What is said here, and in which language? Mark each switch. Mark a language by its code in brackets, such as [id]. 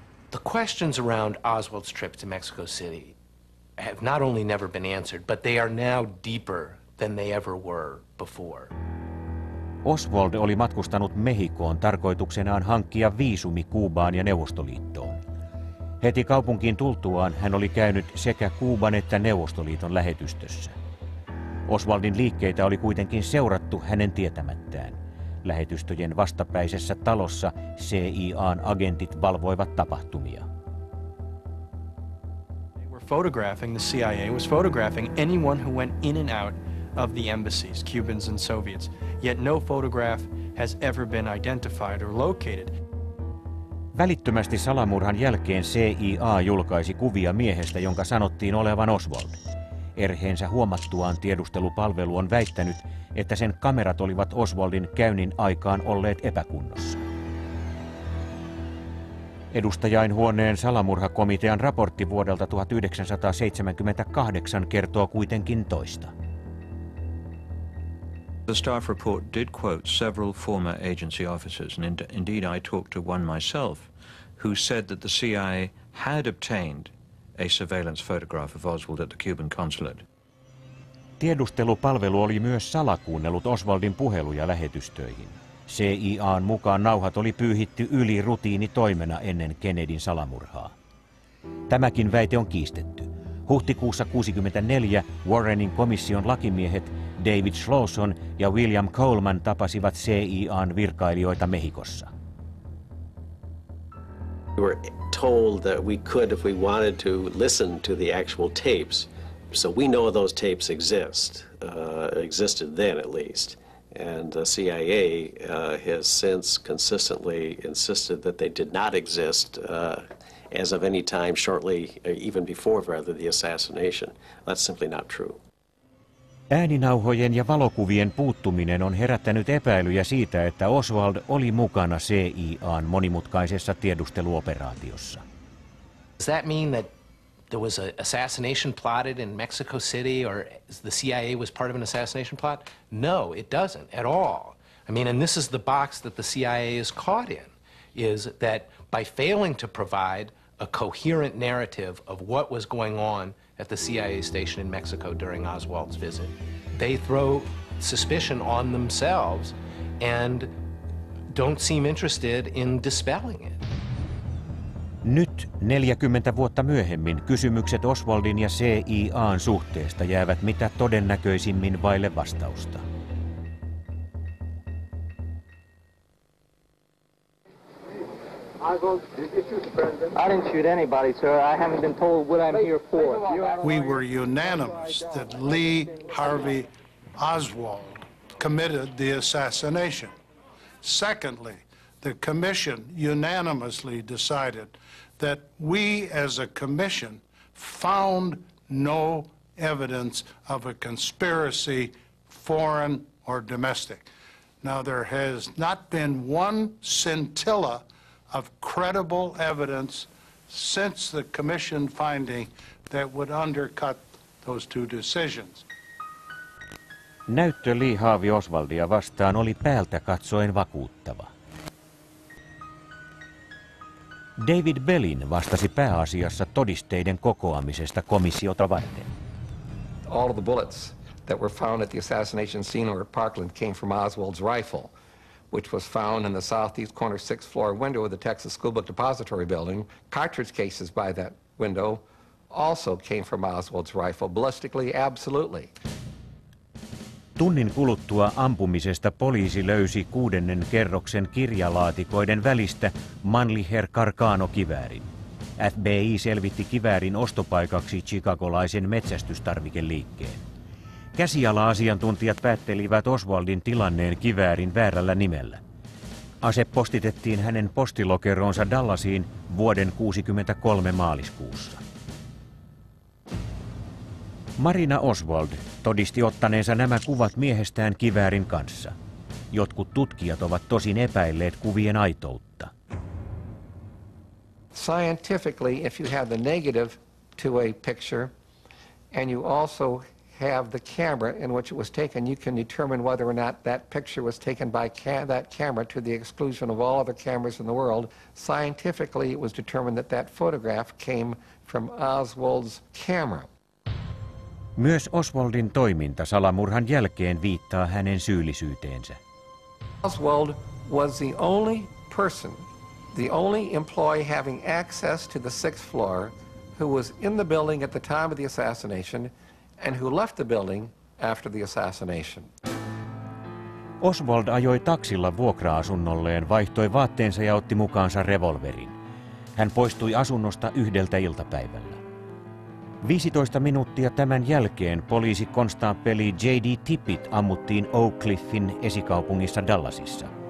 [en] The questions around Oswald's trip to Mexico City have not only never been answered, but they are now deeper than they ever were before. [fi] Oswald oli matkustanut Mehikoon tarkoituksenaan hankkia viisumi Kuubaan ja Neuvostoliittoon. Heti kaupunkiin tultuaan hän oli käynyt sekä Kuuban että Neuvostoliiton lähetystössä. Oswaldin liikkeitä oli kuitenkin seurattu hänen tietämättään. Lähetystöjen vastapäisessä talossa CIA:n agentit valvoivat tapahtumia. [en] They were photographing, the CIA was photographing anyone who went in and out of the embassies, Cubans and Soviets. Yet no photograph has ever been identified or located. [fi] Välittömästi salamurhan jälkeen CIA julkaisi kuvia miehestä, jonka sanottiin olevan Oswald. Erheensä huomattuaan tiedustelupalvelu on väittänyt, että sen kamerat olivat Oswaldin käynnin aikaan olleet epäkunnossa. Edustajainhuoneen salamurhakomitean raportti vuodelta 1978 kertoo kuitenkin toista. [en] The staff report did quote several former agency officers, and indeed I talked to one myself, who said that the CIA had obtained a surveillance photograph of Oswald at the Cuban consulate. [fi] Tiedustelupalvelu oli myös salakuunnellut Oswaldin puheluja lähetystöihin. CIA:n mukaan nauhat oli pyyhitty yli rutiinitoimena ennen Kennedyn salamurhaa. Tämäkin väite on kiistetty. Huhtikuussa 1964 Warrenin komission lakimiehet David Slauson ja William Coleman tapasivat CIA:n virkailijoita Mehikossa. [en] We were told that we could, if we wanted to, listen to the actual tapes. So we know those tapes existed then at least. And the CIA has since consistently insisted that they did not exist as of any time shortly, even before rather, the assassination. That's simply not true. [fi] Ääninauhojen ja valokuvien puuttuminen on herättänyt epäilyjä siitä, että Oswald oli mukana CIA:n monimutkaisessa tiedusteluoperaatiossa. [en] Does that mean that there was an assassination plotted in Mexico City or the CIA was part of an assassination plot? No, it doesn't at all. I mean, and this is the box that the CIA is caught in, is that by failing to provide a coherent narrative of what was going on at the CIA station in Mexico during Oswald's visit, they throw suspicion on themselves and don't seem interested in dispelling it. [fi] Nyt 40 vuotta myöhemmin kysymykset Oswaldin ja CIA:n suhteesta jäävät mitä todennäköisimmin vaille vastausta. [en] I didn't shoot anybody, sir. I haven't been told what I'm here for. We were unanimous that Lee Harvey Oswald committed the assassination. Secondly, the commission unanimously decided that we as a commission found no evidence of a conspiracy, foreign or domestic. Now, there has not been one scintilla of credible evidence since the commission finding that would undercut those two decisions. [fi] Näyttö Lee Harvey Oswaldia vastaan oli päältä katsoen vakuuttava. David Bellin vastasi pääasiassa todisteiden kokoamisesta komissiota varten. [en] All of the bullets that were found at the assassination scene over at Parkland came from Oswald's rifle, which was found in the southeast corner sixth floor window of the Texas School Book Depository building. Cartridge cases by that window also came from Oswald's rifle, ballistically, absolutely. [fi] Tunnin kuluttua ampumisesta poliisi löysi kuudennen kerroksen kirjalaatikoiden välistä Mannlicher Carcano-kiväärin. FBI selvitti kiväärin ostopaikaksi chicagolaisen metsästystarvikeliikkeen. Käsiala-asiantuntijat päättelivät Oswaldin tilanneen kiväärin väärällä nimellä. Ase postitettiin hänen postilokeroonsa Dallasiin vuoden 1963 maaliskuussa. Marina Oswald todisti ottaneensa nämä kuvat miehestään kiväärin kanssa. Jotkut tutkijat ovat tosin epäilleet kuvien aitoutta. [en] Scientifically, if you have the negative to a picture and you also have the camera in which it was taken, you can determine whether or not that picture was taken by that camera to the exclusion of all other cameras in the world. Scientifically, it was determined that that photograph came from Oswald's camera. [fi] Myös Oswaldin toiminta salamurhan jälkeen viittaa hänen syyllisyyteensä. [en] Oswald was the only person, the only employee having access to the sixth floor, who was in the building at the time of the assassination and who left the building after the assassination. [fi] Oswald ajoi taksilla vuokra-asunnolleen, vaihtoi vaatteensa ja otti mukaansa revolverin. Hän poistui asunnosta yhdeltä iltapäivällä. 15 minuuttia tämän jälkeen poliisi konstaapeli J.D. Tippit ammuttiin Oak Cliffin esikaupungissa Dallasissa.